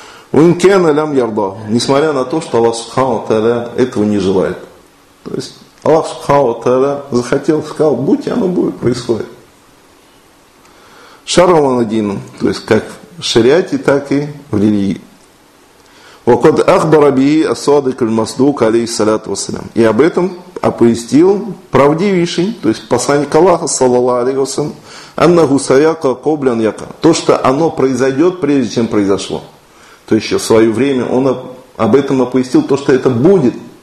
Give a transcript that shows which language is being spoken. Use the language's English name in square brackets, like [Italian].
[Arabic] Унькена лям ярдаху. [Russian] Несмотря на то, что Аллах Субхану Тааля этого не желает. То есть Аллах Субхану Тааля захотел, сказал, будь, и оно будет, происходит. Шарван один, то есть как в шариате, так и в религии. [Arabic] وقد أخبر به الصادق المصدوق عليه الصلاة والسلام. [Russian] И об этом оповестил правдивейший, то есть посланник Аллаха саллаллаху алейхи ва саллям, [Arabic] аннаху саяка коблян яка. [Russian] То, что оно произойдет прежде чем произошло. То есть в свое время он об этом оповестил, то, что это будет.